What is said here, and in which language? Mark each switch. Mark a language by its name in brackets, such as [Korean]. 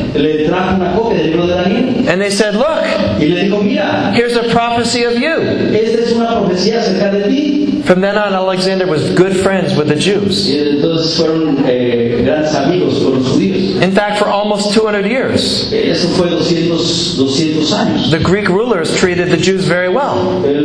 [Spanish] Le trajo una copia del libro de Daniel. [English] And they said, look, [Spanish] y le dijo, mira, [English] here's a prophecy of you. [Spanish] Esta es una profecía acerca de ti. [English] From then on, Alexander was good friends with the Jews. [Spanish] Y entonces fueron, grandes amigos con los judíos. [English] In fact, for almost 200 years, [Spanish] eso fue 200 años. [English] The Greek rulers treated the Jews very well.